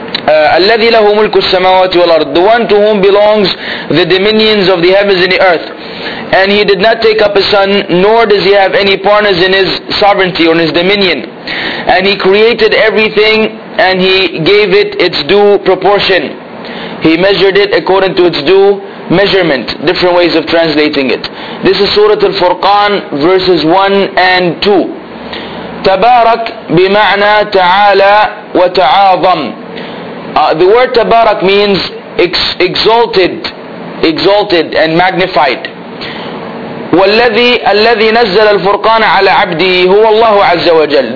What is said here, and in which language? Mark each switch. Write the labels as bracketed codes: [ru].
[ar] الذي له ملك السماوات والأرض, [en] the one to whom belongs the dominions of the heavens and the earth, and he did not take up a son, nor does he have any partners in his sovereignty or in his dominion, and he created everything and he gave it its due proportion, he measured it according to its due measurement. Different ways of translating it. This is Surah Al-Furqan, verses 1 and 2. [ar] تبارك بمعنى تعالى وتعاظم. [en] The word Tabarak means exalted and magnified. [ar] والذي الذي نزل الفرقان على عبده هو الله عز وجل.